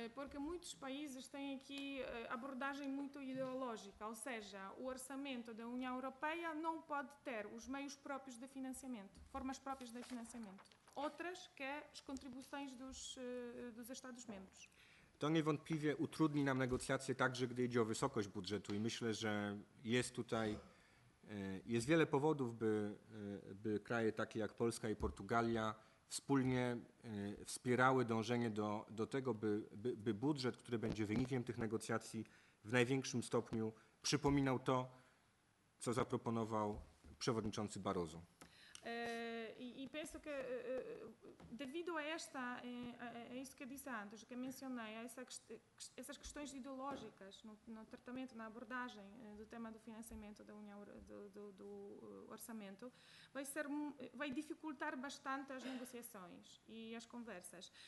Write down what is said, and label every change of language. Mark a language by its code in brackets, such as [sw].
[pt] Porque muitos países têm aqui abordagem muito ideológica, ou seja, o orçamento da União Europeia não pode ter os meios próprios de financiamento, formas próprias de financiamento. Outras que as contribuições dos Estados-membros. [pl] To niewątpliwie utrudni nam negocjacje także, gdy idzie o wysokość budżetu i myślę, że jest tutaj jest wiele powodów, by kraje takie jak Polska i Portugalia wspólnie wspierały dążenie do tego, by budżet, który będzie wynikiem tych negocjacji, w największym stopniu przypominał to, co zaproponował przewodniczący Barroso. [pt] E penso que devido a isso que disse antes, que mencionei, essas questões ideológicas no tratamento, na abordagem do tema do financiamento da União do orçamento, vai dificultar bastante as negociações e as conversas.